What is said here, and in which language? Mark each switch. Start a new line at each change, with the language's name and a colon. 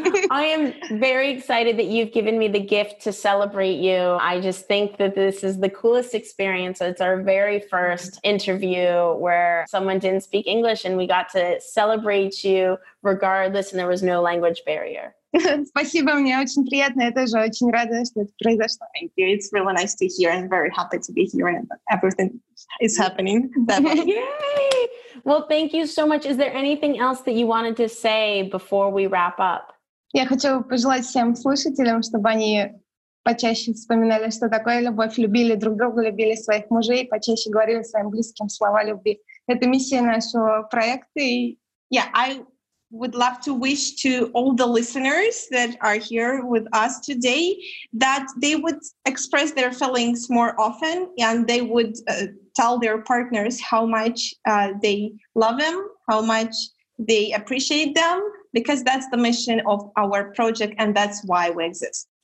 English: I am very excited that you've given me the gift to celebrate you. I just think that this is the coolest experience. It's our very first interview where someone didn't speak English and we got to celebrate you regardless, and there was no language barrier.
Russian: Спасибо, мне очень приятно. Я тоже очень рада, что это произошло.
English: Thank you. It's really nice to hear. I'm very happy to be here and everything is happening. Yay! Well, thank you so much. Is there anything else that you wanted to say before we wrap up?
Russian: Я хочу пожелать всем слушателям, чтобы они почаще вспоминали, что такое любовь, любили друг друга, любили своих мужей, почаще говорили своим близким слова любви. Это миссия нашего проекта.
English: Yeah, I would love to wish to all the listeners that are here with us today that they would express their feelings more often, and they would tell their partners how much they love them, how much they appreciate them, because that's the mission of our project and that's why we exist.